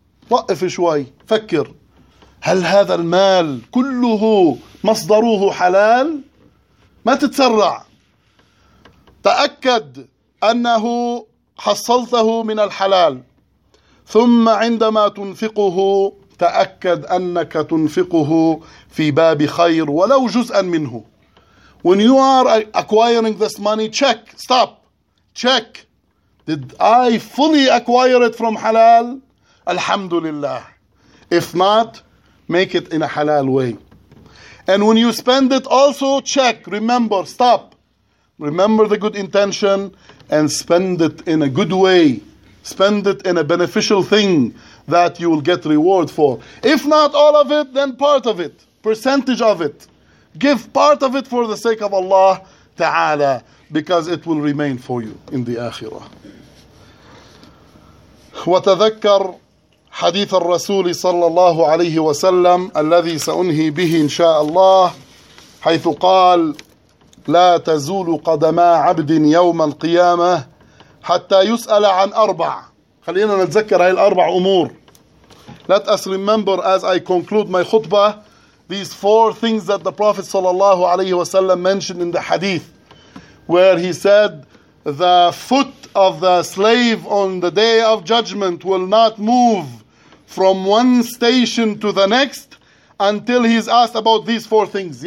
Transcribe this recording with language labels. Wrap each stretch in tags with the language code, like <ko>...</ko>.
<ar>وقف شوي, فكر, هل هذا المال كله مصدره حلال؟ ما تتسرع, تأكد أنه حصلته من الحلال. ثم عندما تنفقه تأكد أنك تنفقه في باب خير ولو جزءا منه.</ar> <en>When you are acquiring this money, check, stop, check. Did I fully acquire it from halal? Alhamdulillah. If not, make it in a halal way. And when you spend it also, check, remember, stop. Remember the good intention and spend it in a good way. Spend it in a beneficial thing that you will get reward for. If not all of it, then part of it, percentage of it. Give part of it for the sake of Allah Ta'ala, because it will remain for you in the Akhirah.</en> <ar>وتذكر حديث الرسول صلى الله عليه وسلم الذي سأنهي به إن شاء الله, حيث قال لا تزول قدما عبد يوم القيامة حتى يسأل عن أربع. خلينا نتذكر هاي الأربع أمور.</ar> <en>Let us remember as I conclude my khutbah these four things that the Prophet</en> <ar>صلى الله عليه وسلم</ar> <en>mentioned in the hadith, where he said the foot of the slave on the day of judgment will not move from one station to the next until he's asked about these four things.</en>